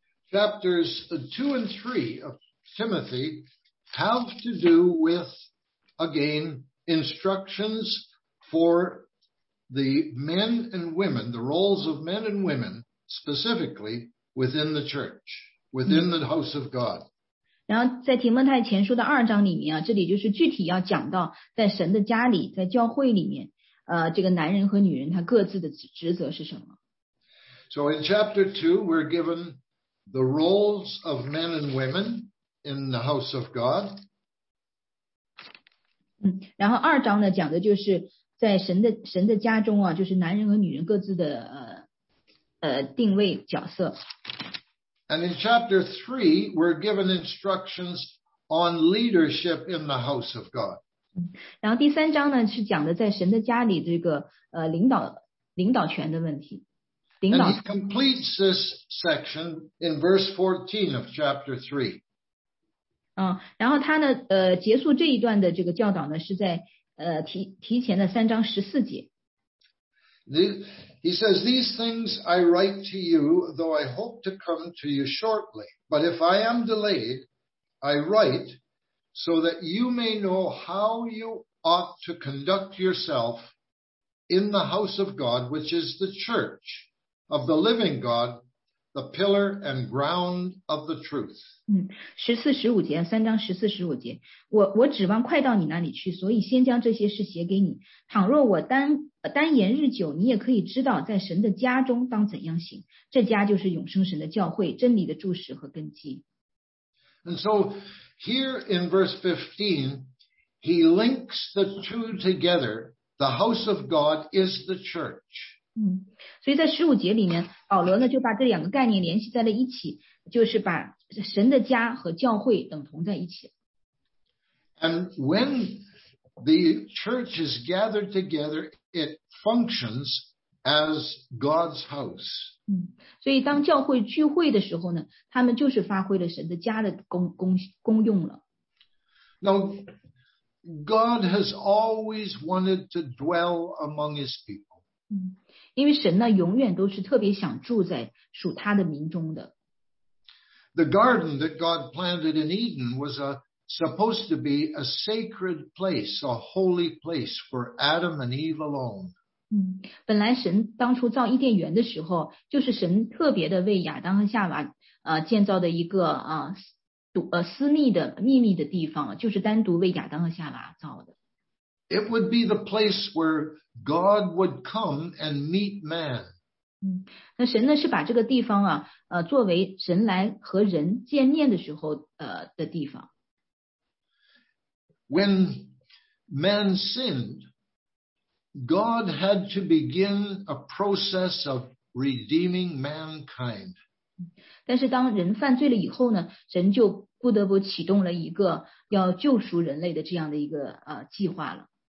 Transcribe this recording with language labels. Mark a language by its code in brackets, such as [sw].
[en] Chapters 2 and 3 of Timothy. Have to do with, again, instructions for the men and women, the roles of men and women, specifically within the church, within the house of God. [zh] 然后在提摩太前书的二章里面啊，这里就是具体要讲到在神的家里，在教会里面，这个男人和女人他各自的职责是什么。 [en] So in chapter 2, we're given the roles of men and women. In the house of God. [zh] 然后二章呢讲的就是在神的家中啊，就是男人和女人各自的定位角色。 [en] And in chapter 3, we're given instructions on leadership in the house of God. [zh] 然后第三章呢是讲的在神的家里这个领导权的问题。 [en] And he completes this section in verse 14 of chapter 3. [zh] 然后他呢结束这一段的这个教导呢是在提前的三章十四节。 [en] He says, These things I write to you, though I hope to come to you shortly. But if I am delayed, I write so that you may know how you ought to conduct yourself in the house of God, which is the church of the living God,The pillar and ground of the truth. [zh] 十四十五节，三章十四十五节。我指望快到你那里去，所以先将这些事写给你。倘若我单言日久，你也可以知道在神的家中当怎样行。这家就是永生神的教会，真理的柱石和根基。 [en] And so here in verse 15, he links the two together The house of God is the church. [zh] 所以在十五节里面，保罗呢就把这两个概念联系在了一起，就是把神的家和教会等同在一起。 [en] And when the church is gathered together, it functions as God's house. [zh] 所以当教会聚会的时候呢，他们就是发挥了神的家的功用了。 [en] Now, God has always wanted to dwell among his people. [zh] 因为神呢，永远都是特别想住在属他的民中的。 [en] The garden that God planted in Eden was supposed to be a sacred place, a holy place for Adam and Eve alone. [zh] 本来神当初造伊甸园的时候，就是神特别的为亚当和夏娃建造的一个私密的秘密的地方，就是单独为亚当和夏娃造的。 [en] It would be the place where God would come and meet man. [zh] 那神呢是把这个地方作为神来和人见面的时候的地方。 [en] When man sinned, God had to begin a process of redeeming mankind. [zh] 但是当人犯罪了以后呢，神就不得不启动了一个要救赎人类的这样的一个计划了。